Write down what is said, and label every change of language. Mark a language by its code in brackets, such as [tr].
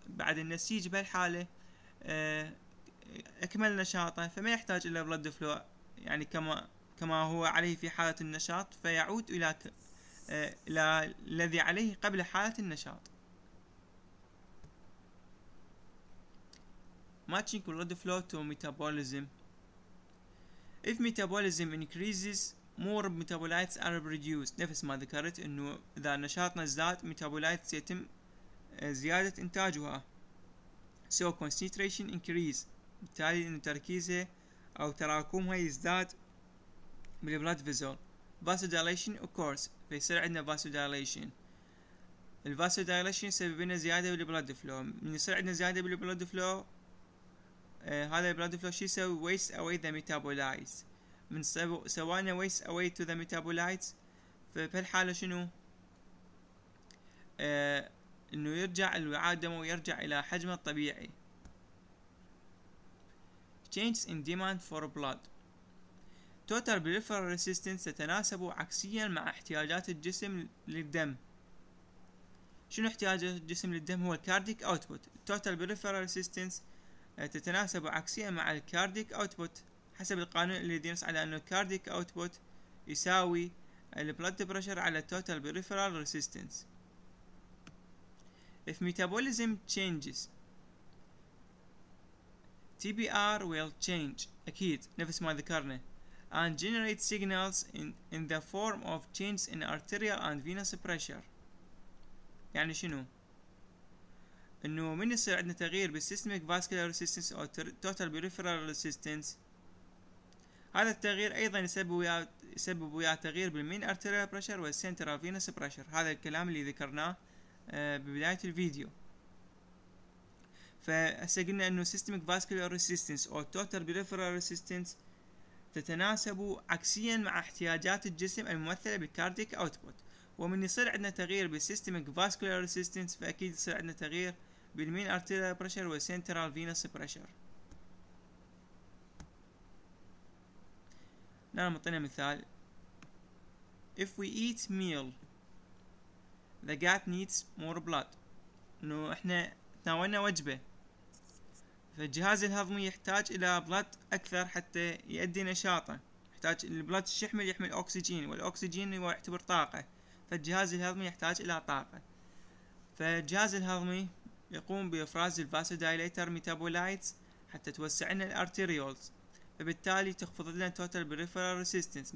[ar] بعد النسيج بهالحالة اكمل نشاطه، فما يحتاج الى بلد فلو، يعني كما هو عليه في حالة النشاط، فيعود الى الذي عليه قبل حالة النشاط. [en] Matching blood flow to metabolism. If metabolism increases, more metabolites are produced. [ar] نفس ما ذكرت إنه إذا نشاطنا زاد metabolites يتم زيادة إنتاجها. [en] So concentration increase. [ar] بالتالي إنه تركيزه أو تراكمها يزداد بال blood vessel. [en] Vasodilation occurs. [ar] فيصير عندنا vasodilation. الvasodilation سبب لنا زيادة بال blood flow. من يصير عندنا زيادة بال blood flow هذا البلد فلو شي يسوي؟ [en] Waste away the metabolites. [ar] من سوانا [en] waste away to the metabolites, [ar] فبهالحالة شنو؟ انه يرجع الوعاء الدموي ويرجع الى حجمه الطبيعي. [en] Changes in demand for blood. [ar] Total peripheral resistance تتناسب عكسيا مع احتياجات الجسم للدم. شنو احتياج الجسم للدم؟ هو cardiac output. Total peripheral resistance تتناسب عكسيا مع الكارديك اوتبوت، حسب القانون الذي ينص على انه الكارديك اوتبوت يساوي البلد بريشر على التوتال بريفرال ريسيستنس. [en] If metabolism changes TBR will change [ar] اكيد نفس ما ذكرنا، [en] and generate signals in the form of changes in arterial and venous pressure. [ar] يعني شنو؟ انه من يصير عندنا تغيير بالسيستميك فاسكولار ريسيستنس او توتال بريفرال ريسيستنس، هذا التغيير ايضا يسبب ويا تغيير بالمين ارتيريال بريشر والسنترال فينوس بريشر. هذا الكلام اللي ذكرناه ببداية الفيديو. فهسه قلنا انه سيستميك فاسكولار ريسيستنس او توتال بريفرال ريسيستنس تتناسب عكسيا مع احتياجات الجسم الممثلة بالكارديك اوتبوت. ومن يصير عندنا تغيير بالسيستميك فاسكولار ريسيستنس فاكيد يصير عندنا تغيير بالمين ارتيريال بريشر والسنترال فينوس بريشر. نعم معطينا مثال. [en] If we eat meal the gut needs more blood. [ar] انه احنا تناولنا وجبه فالجهاز الهضمي يحتاج الى بلد اكثر حتى يؤدي نشاطه. يحتاج البلد الشحم يحمل اكسجين، والاكسجين هو يعتبر طاقه. فالجهاز الهضمي يحتاج إلى طاقة. فالجهاز الهضمي يقوم بإفراز الفاسودايليتر ميتابولايتس حتى توسع لنا الأرتيريولز، فبالتالي تخفض لنا التوتال بريفرال ريسيستنس.